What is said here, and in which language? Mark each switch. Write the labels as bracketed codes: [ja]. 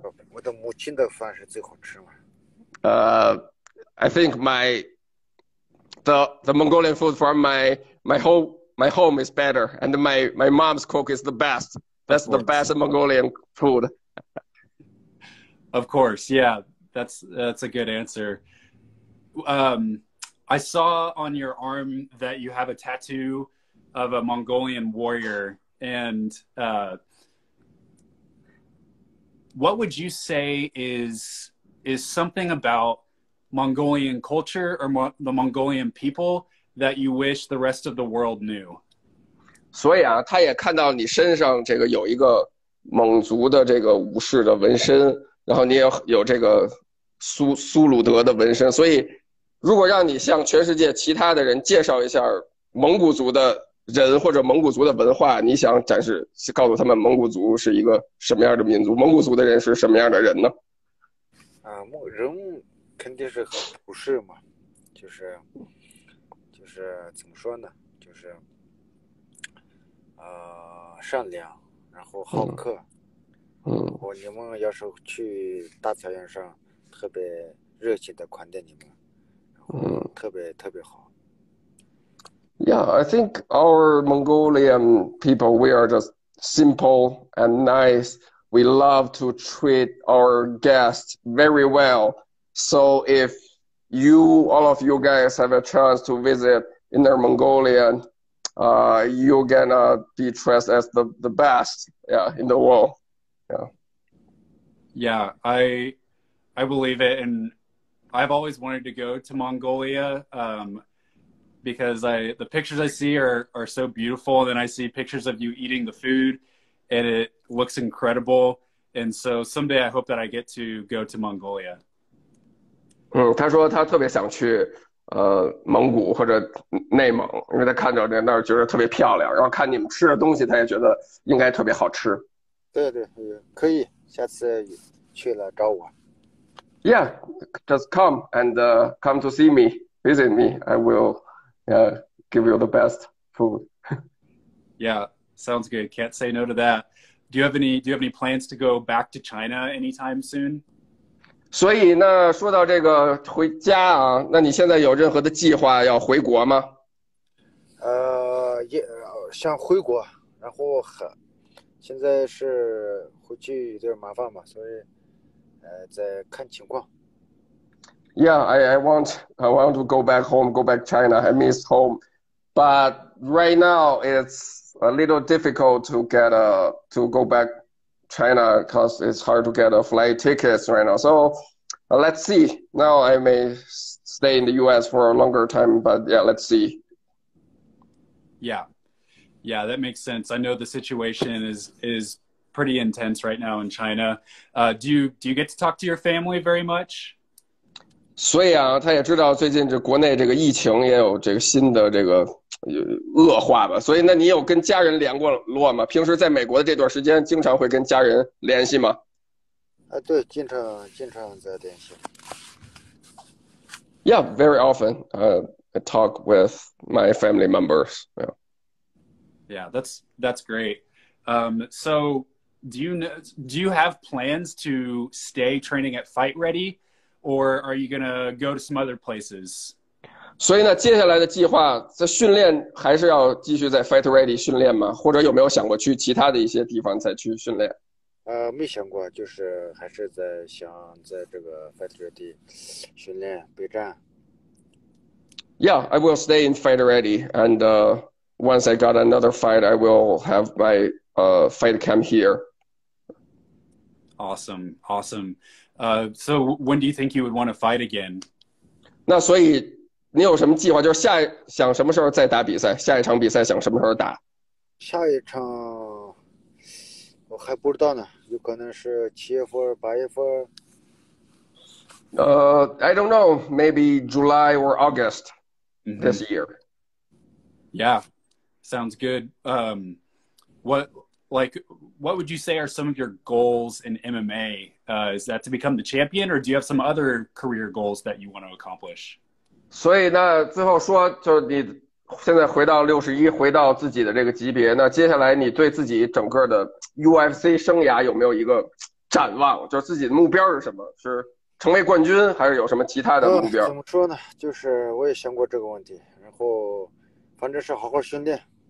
[zh] 我的母亲的饭是最好吃嘛。 [en] I think the Mongolian food from my home is better, and my mom's cook is the best. That's the best Mongolian food. Of course, yeah, that's a good answer. I saw on your arm that you have a tattoo of a Mongolian warrior, and what would you say is something about Mongolian culture or the Mongolian people that you wish the rest of the world knew? [zh] 所以啊，他也看到你身上这个有一个蒙族的这个武士的纹身，然后你也有这个苏鲁德的纹身，所以如果让你向全世界其他的人介绍一下蒙古族的人或者蒙古族的文化，你想展示告诉他们蒙古族是一个什么样的民族，蒙古族的人是什么样的人呢？人肯定是很朴实嘛，就是怎么说呢，就是善良，然后好客。我你们要是去大草原上，特别热情的款待你们，特别特别好。 [en] Yeah, I think our Mongolian people, we are just simple and nice. We love to treat our guests very well. So if you, all of you guys have a chance to visit Inner Mongolian, you're gonna be treated as the best, yeah, in the world. Yeah. Yeah, I believe it. And I've always wanted to go to Mongolia. Because the pictures I see are so beautiful, and then I see pictures of you eating the food, and it looks incredible. And so someday I hope that I get to go to Mongolia. [zh] 他说他特别想去蒙古或者内蒙，因为他看到那儿觉得特别漂亮，然后看你们吃的东西，他也觉得应该特别好吃。对对，可以，下次去了找我。 [en] Yeah, just come and come to see me, visit me. I will. Give you the best food. Yeah, sounds good. Can't say no to that. Do you have any plans to go back to China anytime soon? [zh] 所以那说到这个回家啊，那你现在有任何的计划要回国吗？也想回国，然后现在是回去有点麻烦嘛，所以再看情况。 [en] Yeah, I want to go back home, go back China. I miss home, but right now it's a little difficult to get to go back China because it's hard to get a flight tickets right now. So let's see. Now I may stay in the U.S. for a longer time, but yeah, let's see. Yeah, yeah, that makes sense. I know the situation is pretty intense right now in China. Do you get to talk to your family very much? [zh] 所以啊，他也知道最近这国内这个疫情也有这个新的这个恶化吧。所以，那你有跟家人联过络吗？平时在美国的这段时间，经常会跟家人联系吗？对，经常在联系。 [en] Yeah, very often. I talk with my family members. Yeah. Yeah, that's great. So do you have plans to stay training at Fight Ready? Or are you gonna go to some other places? [zh] 所以呢，接下来的计划在训练还是要继续在 Fight Ready 训练吗？或者有没有想过去其他的一些地方再去训练？没想过，就是还是在想在这个 Fight Ready 训练备战。 [en] Yeah, I will stay in Fight Ready, and once I got another fight, I will have my fight camp here. Awesome, awesome. So when do you think you would want to fight again? [zh] 那所以你有什么计划？就是下想什么时候再打比赛？下一场比赛想什么时候打？下一场我还不知道呢，有可能是七月份、八月份。 [en] I don't know. Maybe July or August this year. Yeah, sounds good. What would you say are some of your goals in MMA? Is that to become the champion, or do you have some other career goals that you want to accomplish? [zh] 所以那最后说，就是你现在回到61，回到自己的这个级别，那接下来你对自己整个的 UFC 生涯有没有一个展望？就是自己的目标是什么？是成为冠军，还是有什么其他的目标？怎么说呢？就是我也想过这个问题，然后反正是好好训练。